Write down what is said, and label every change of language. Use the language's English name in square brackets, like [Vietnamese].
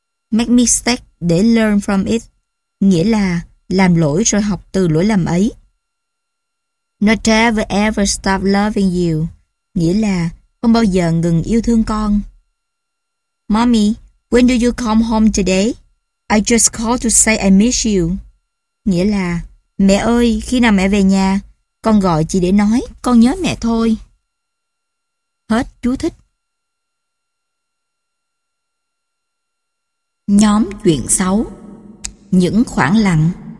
[English] Make mistake [Vietnamese] để [English] learn from it, [Vietnamese] nghĩa là làm lỗi rồi học từ lỗi lầm ấy, [English] Not ever ever stop loving you. [Vietnamese] Nghĩa là không bao giờ ngừng yêu thương con. [English] Mommy, when do you come home today? I just called to say I miss you. [Vietnamese] Nghĩa là, mẹ ơi, khi nào mẹ về nhà? Con gọi chỉ để nói, con nhớ mẹ thôi. Hết chú thích. Nhóm chuyện xấu. Những khoảng lặng.